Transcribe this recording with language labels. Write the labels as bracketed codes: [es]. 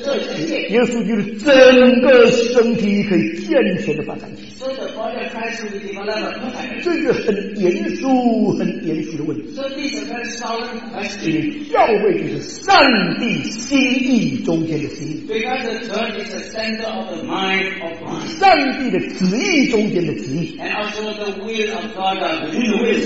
[zh] church. 耶稣就是整个身体可以健全的发展。 [en] So the body of Christ will be developed. [zh] 这个很严肃、很严肃的问题。 [en] So this is a very solemn question. [zh] 教会就是上帝心意中间的心意。 [en] Because the church is the center of the mind of God. [zh] 上帝的旨意中间的旨意。 [en] And also the will of God of the will.